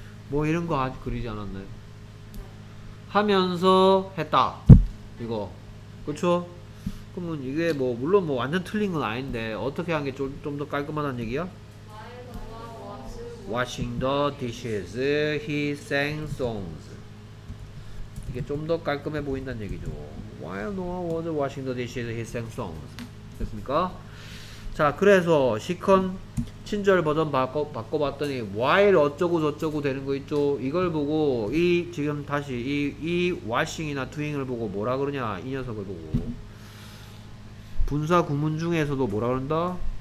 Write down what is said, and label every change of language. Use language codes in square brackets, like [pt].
[ko] 뭐 이런 거 아직 그리지 않았나요? 하면서 했다 이거 그렇죠? 그러면 이게 뭐 물론 뭐 완전 틀린 건 아닌데 어떻게 한게좀좀더 깔끔하다는 얘기야? [en] Washing the dishes, he sang songs. [ko] 이게 좀더 깔끔해 보인다는 얘기죠. [en] While Noah was washing the dishes, he sang songs. [ko] 됐습니까? 자, 그래서 시컨 친절 버전 바꿔봤더니 while 어쩌고 저쩌고 되는 거 있죠? 이걸 보고 이 지금 다시 이 washing이나 doing을 보고 뭐라 그러냐? 이 녀석을 보고 분사 구문 중에서도 뭐라 그런다?